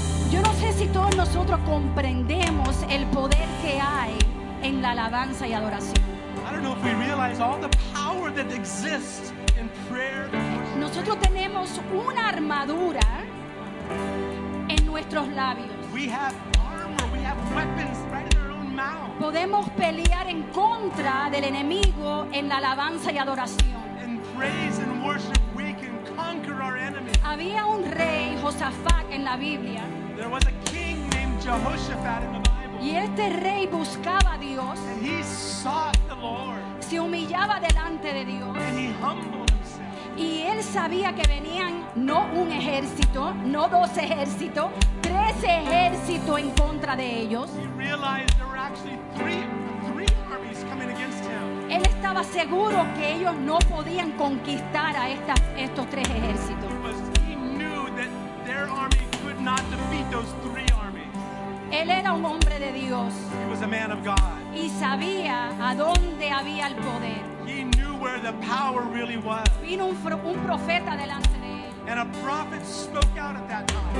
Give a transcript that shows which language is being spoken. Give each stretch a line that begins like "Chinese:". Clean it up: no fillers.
Spanish: Yo no sé si todos nosotros comprendemos el poder que hay en la alabanza y adoración.
English: I don't know if we realize all the power that exists in prayer.
Spanish: Nosotros tenemos una armadura en nuestros labios.
English: We have armor, we have weapons right in our own mouth.
Spanish: Podemos pelear en contra del enemigo en la alabanza y adoración.
English: In praise and worship we can conquer our enemy.
Spanish: Había un rey, Josafat, en la Biblia.
English: There was a king named Jehoshaphat in the Bible.
Spanish: Y este rey buscaba a Dios.
English: And he sought the Lord.
Spanish: Se humillaba delante de Dios.
English: And he humbled himself.
Spanish: Y él sabía que venían no un ejército, no dos ejércitos, tres ejércitos en contra de ellos.
English: He realized there were actually three armies coming against him.
Spanish: Él estaba seguro que ellos no podían conquistar a estos tres ejércitos.
English: He knew that their army not defeat those three armies.
Spanish: Él era un hombre de Dios.
English: He was a man of God.
Spanish: Y sabía a dónde había el poder.
English: He knew where the power really was.
Spanish: Vino un profeta delante de él.
English: And a prophet spoke out at that time.